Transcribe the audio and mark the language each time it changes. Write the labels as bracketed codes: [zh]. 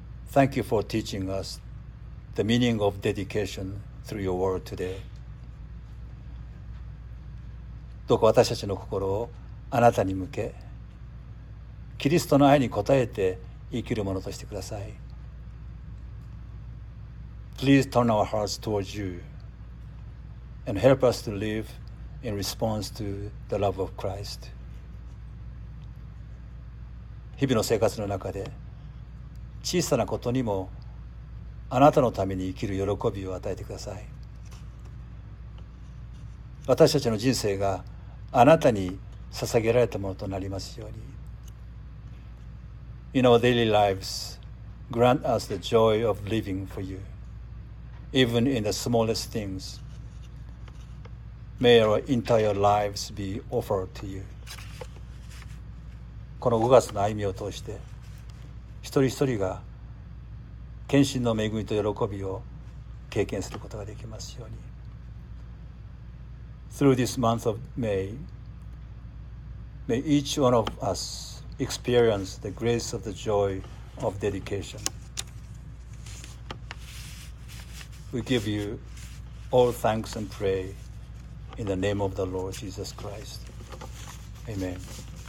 [en] Thank you for teaching us the meaning of dedication through your word today. [ja] どうか私たちの心をあなたに向け、キリストの愛に応えて生きるものとしてください。 [en] Please turn our hearts towards you and help us to live in response to the love of Christ. [ja] 日々の生活の中で小さなことにもあなたのために生きる喜びを与えてください。私たちの人生があなたに捧げられたものとなりますように。 [en] In our daily lives, Grant us the joy of living for you, even in the smallest things. May our entire lives be offered to you. [ja] この5月の歩みを通して、一人一人が献身の恵みと喜びを経験することができますように。 [en] Through this month of May, may each one of us experience the grace of the joy of dedication. We give you all thanks and pray in the name of the Lord Jesus Christ. Amen.